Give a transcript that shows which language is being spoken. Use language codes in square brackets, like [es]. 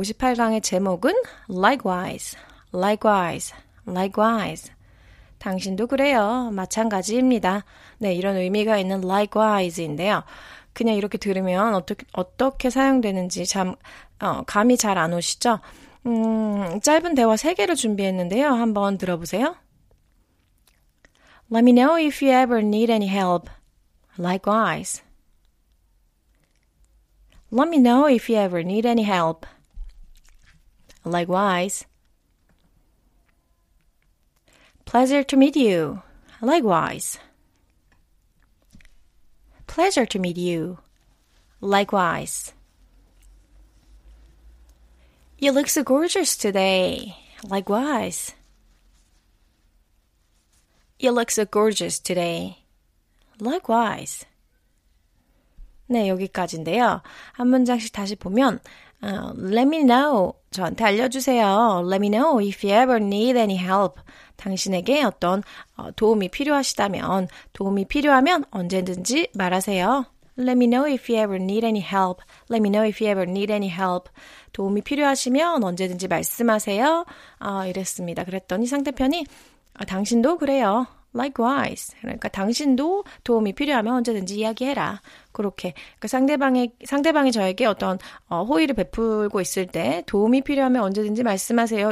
[ko] 58강의 제목은 Likewise, Likewise, Likewise. 당신도 그래요. 마찬가지입니다. 네, 이런 의미가 있는 Likewise인데요. 그냥 이렇게 들으면 어떻게 사용되는지 감이 잘 안 오시죠? 짧은 대화 3개를 준비했는데요. 한번 들어보세요. [en] Let me know if you ever need any help. Likewise. Let me know if you ever need any help. Likewise. Pleasure to meet you. Likewise. Pleasure to meet you. Likewise. You look so gorgeous today. Likewise. You look so gorgeous today. Likewise. [ko] 네, 여기까지인데요. 한 문장씩 다시 보면 [en] Let me know. [ko] 저한테 알려주세요. [en] Let me know if you ever need any help. [ko] 당신에게 어떤 도움이 필요하시다면 도움이 필요하면 언제든지 말하세요. [en] Let me know if you ever need any help. Let me know if you ever need any help. [ko] 도움이 필요하시면 언제든지 말씀하세요. 이랬습니다. 그랬더니 상대편이 당신도 그래요. [en] Likewise. [ko] 그러니까 당신도 도움이 필요하면 언제든지 이야기해라. 그렇게 그러니까 상대방이 저에게 어떤 호의를 베풀고 있을 때 도움이 필요하면 언제든지 말씀하세요.